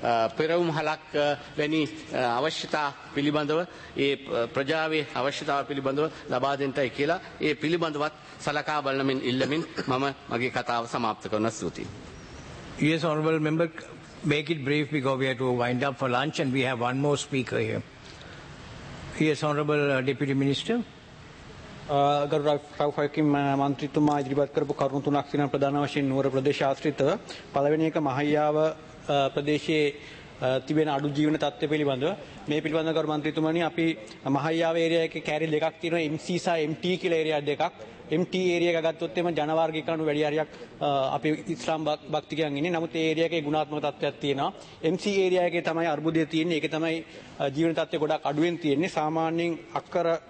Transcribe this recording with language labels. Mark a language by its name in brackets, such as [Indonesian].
[Sinhala] පෙරවුම් හලක් වැනි අවශ්‍යතා පිළිබඳව ඒ ප්‍රජාවේ අවශ්‍යතාව පිළිබඳව ලබා දෙන්නයි කියලා ඒ පිළිබඳවත් සලකා බලනමින් ඉල්ලමින් මම මගේ කතාව සමාප්ත කරන ස්තුතියි. [English] Yes, honorable member, make it brief because we have to wind up for lunch and we have one more speaker here. Yes, honorable deputy minister. [Sinhala] ගරු රෞෆ් හකිම් මන්ත්‍රීතුමා ඉදිරිපත් කරපු කරුණු තුනක් තියෙනවා ප්‍රධාන වශයෙන් නුවර ප්‍රදේශ ආශ්‍රිතව පළවෙනි එක මහයාව ප්‍රදේශයේ තිබෙන අඩු ජීවන තත්ත්ව පිළිබඳව මේ පිළිබඳව ගරු මන්ත්‍රීතුමනි අපි මහයාව ඒරියා එකේ කැරි දෙකක් තියෙනවා MC සහ MT කියලා ඒරියා දෙකක් MT ඒරියා එක ගත්තොත් එම ජන වර්ගීකරණ වැඩි හරියක් අපි ඉස්ලාම් භක්තිකයන් ඉන්නේ නමුත් ඒ ඒරියා එකේ ගුණාත්මක තත්ත්වයක් තියෙනවා MC ඒරියා එකේ තමයි අර්බුදය තියෙන්නේ ඒක තමයි ජීවන තත්ත්වය ගොඩක් අඩුවෙන් තියෙන්නේ සාමාන්‍යයෙන් අක්කර